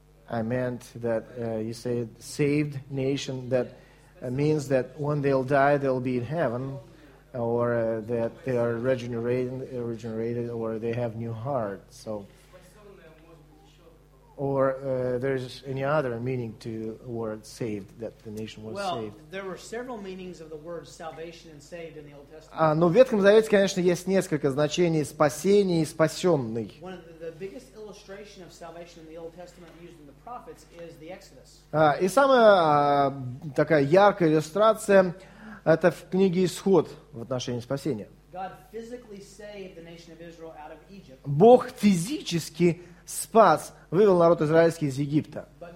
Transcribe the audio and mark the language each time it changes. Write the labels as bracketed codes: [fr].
[en] I meant that you said saved nation, that means that when they'll die, they'll be in heaven, or that they are regenerated, or they have new heart. So, or there's any other meaning to word saved, that the nation was saved. Well, there were several meanings of the word salvation and saved in the Old Testament. [ru] Но в Ветхом Завете, конечно, есть несколько значений спасения и спасенный. [en] One of the biggest illustration of salvation in the Old Testament used in the prophets is the Exodus. [ru] И самая такая яркая иллюстрация это в книге Исход в отношении спасения. [en] God physically saved the nation of Israel out of Egypt. [ru] Бог физически спас, вывел народ израильский из Египта.